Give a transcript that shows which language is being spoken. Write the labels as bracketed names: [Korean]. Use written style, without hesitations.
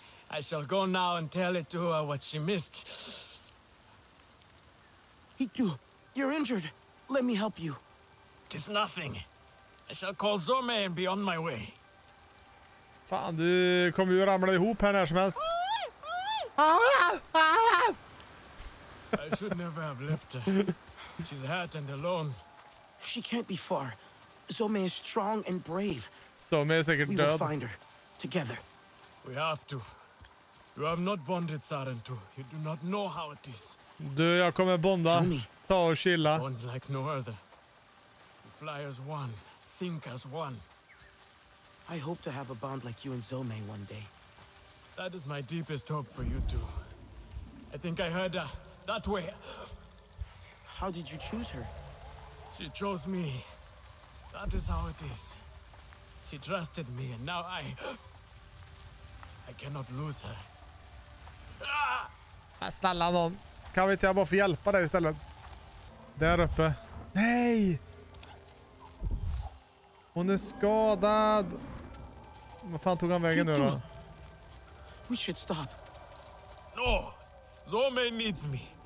[English] I shall go now and tell it to her what she missed. Itu, You're injured. Let me help you. Tis nothing. I shall call Zorme and be on my way. [Swedish] Fan, du kommer ju ramla ihop här när som helst. [English] I should never have left her. She's hurt and alone. She can't be far. Zorme is strong and brave. Zorme is like a dove. We will find her. Together. We have to. You have not bonded, Sarento. You do not know how it is. [Swedish] Du, jag kommer bonda. Ta och chilla. [English] Bond like no other. You fly as one. Think as one. I hope to have a bond like you and Zorme one day. That is my deepest hope for you two. I think I heard her that way. How did you choose her? She chose me. That is how it is. She trusted me, and now I cannot lose her. [Swedish] Snälla någon. Kan vi inte bara få hjälpa dig istället? Där uppe. Nej! Hon är skadad. Vad fan tog han vägen nu då? [English] We should stop. No! Zorme needs me.